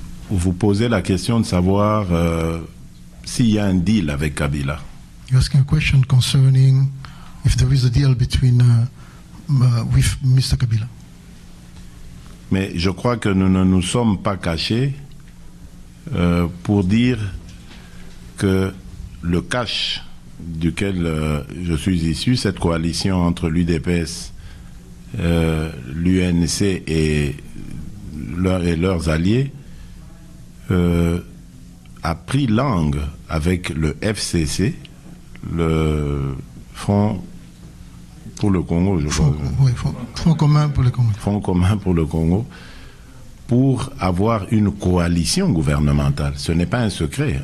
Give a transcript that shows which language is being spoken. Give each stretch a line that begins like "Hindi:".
French: Vous posez la question de savoir s'il y a un deal avec Kabila.
English: You're asking a question concerning if there is a deal between with Mr. Kabila.
French: Mais je crois que nous ne nous sommes pas cachés pour dire que le CASH duquel je suis issu, cette coalition entre l'UDPS, l'UNC et leurs alliés, a pris langue avec le FCC, le Front pour le Congo, Front commun pour le Congo, pour avoir une coalition gouvernementale. Ce n'est pas un secret.